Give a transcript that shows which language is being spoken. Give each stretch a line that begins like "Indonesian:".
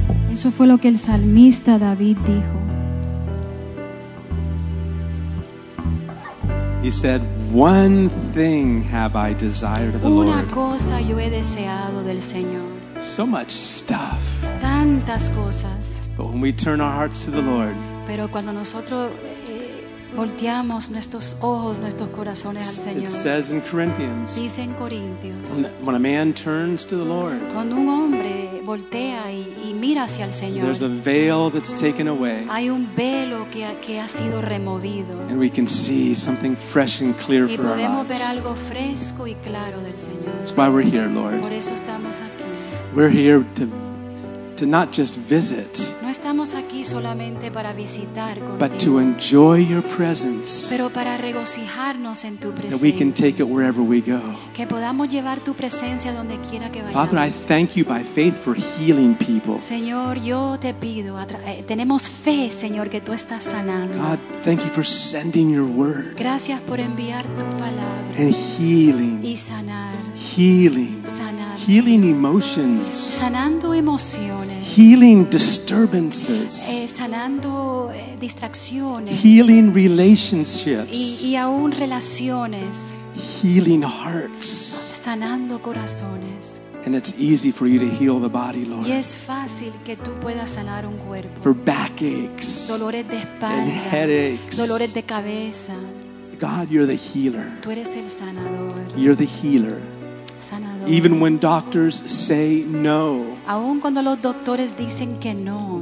Spanish: Eso fue lo que el salmista David dijo.
English: He said, "One thing have I desired of the
Spanish: Una
English: Lord."
Spanish: Una cosa yo he deseado del Señor.
English: So much stuff.
Spanish: Tantas cosas.
English: But when we turn our hearts to the Lord.
Spanish: Pero cuando nosotros volteamos nuestros ojos, nuestros corazones al Señor.
English: It says in Corinthians.
Spanish: Dice en Corintios.
English: When a man turns to the Lord.
Spanish: Cuando un hombre voltea y mira hacia el Señor.
English: There's a veil that's taken away.
Spanish: Hay un velo que ha sido removido.
English: And we can see something fresh and clear for our
Spanish: eyes. Y podemos ver algo fresco y claro del Señor.
English: That's why we're here, Lord.
Spanish: Por eso estamos aquí.
English: We're here to not just visit.
Spanish: Estamos aquí solamente para visitar contigo,
English: but to enjoy your presence,
Spanish: pero para regocijarnos en tu presencia,
English: that we can take it wherever we go.
Spanish: Que podamos llevar tu presencia donde quiera que vayamos.
English: Father, I thank you by faith for healing people.
Spanish: Señor, yo te pido, tenemos fe, Señor, que tú estás sanando.
English: God, thank you for sending your word.
Spanish: Gracias por enviar tu palabra.
English: And healing.
Spanish: Y sanar.
English: Healing.
Spanish: Sanar.
English: Healing emotions.
Spanish: Sanando emociones.
English: Healing disturbances.
Spanish: Sanando distracciones.
English: Healing relationships.
Spanish: Y aún relaciones.
English: Healing hearts.
Spanish: Sanando corazones.
English: And it's easy for you to heal the body, Lord.
Spanish: Y es fácil que tú puedas sanar un cuerpo.
English: For backaches.
Spanish: Dolores de espalda.
English: And headaches.
Spanish: Dolores de cabeza.
English: God, you're the healer.
Spanish: Tú eres el sanador.
English: You're the healer.
Spanish: Sanador. no.
English: Even when doctors say no.
Spanish: Aun cuando los doctores dicen que no.